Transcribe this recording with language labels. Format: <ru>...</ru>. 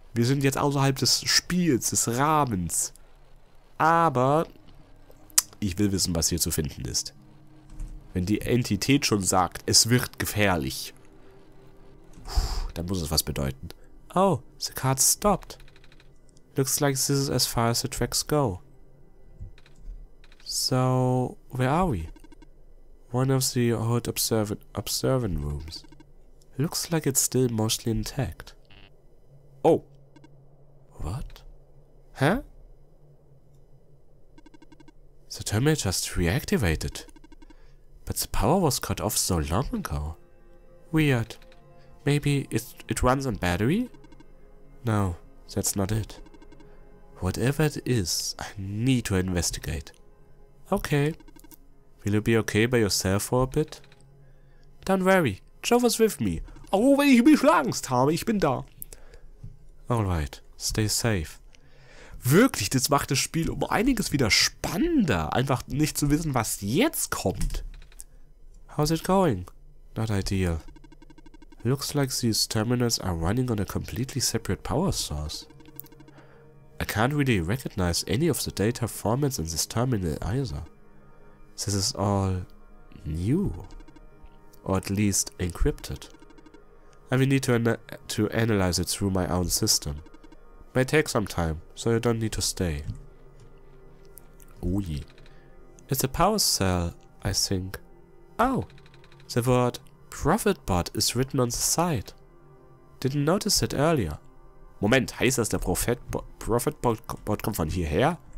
<de>Wir sind jetzt außerhalb des Spiels, des Rahmens. Aber ich will wissen, was hier zu finden ist. Wenn die Entität schon sagt, es wird gefährlich, dann muss es was bedeuten.</de> <en>Oh, the card stopped. Looks like this is as far as the tracks go. So, where are we? One of the old observant rooms. Looks like it's still mostly intact. Oh. What? Huh? The terminal just reactivated. But the power was cut off so long ago. Weird. Maybe it runs on battery? No, that's not it. Whatever it is, I need to investigate. Okay. Will you be okay by yourself for a bit? Don't worry. Jovo's with me.</en> <de>Oh, wenn ich mich schlagst habe, ich bin da.</de> <en>Alright, stay safe.</en> <de>Wirklich, das macht das Spiel um einiges wieder spannender. Einfach nicht zu wissen, was jetzt kommt.</de> <en>How's it going? Not ideal. Looks like these terminals are running on a completely separate power source. I can't really recognize any of the data formats in this terminal either. This is all new. Or at least encrypted. I will need to analyze it through my own system. May take some time, so you don't need to stay. Oh ye. It's a power cell, I think. Oh! The word ProfitBot is written on the side. Didn't notice it earlier.</en> <de>Moment, heißt das, der ProfitBot kommt von hierher?</de>